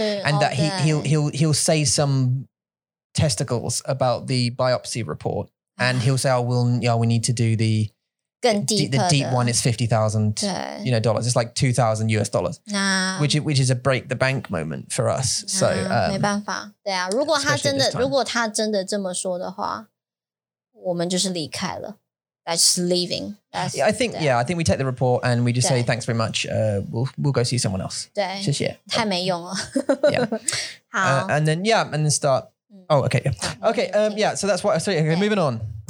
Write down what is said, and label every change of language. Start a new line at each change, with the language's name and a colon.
English: And that he'll say some testicles about the biopsy report. And he'll say, we need to do the deep one. It's $50,000, you know, dollars. It's like $2,000, which is a break the bank moment for us. So,
Chinese: 没办法。对啊，如果他真的这么说的话，我们就是离开了。
English: That's leaving. I think we take the report and we just say thanks very much. We'll go see someone else.
Chinese: 对，谢谢。太没用了。好。And then
English: start. Oh, okay. Okay. So that's why. Sorry. Okay, moving on.